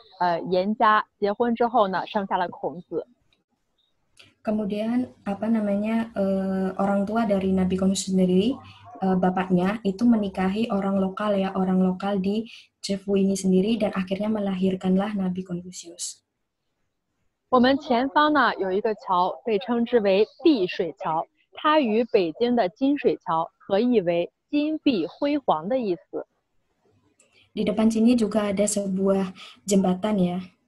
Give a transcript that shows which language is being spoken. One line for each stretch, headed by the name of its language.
Chinese: 后来呢，孔子的父亲与当地的女生严家结婚之后呢，生下了孔子。
Indonesian: Kemudian apa namanya orang tua dari Nabi Konfusius sendiri, bapaknya itu menikahi orang lokal ya, orang lokal di Chefu ini sendiri, dan akhirnya melahirkanlah Nabi Konfusius.
Chinese: 我们前方呢有一个桥，被称之为碧水桥，它与北京的金水桥合意为金碧辉煌的意思。
Indonesian: Di depan sini juga ada sebuah jembatan ya.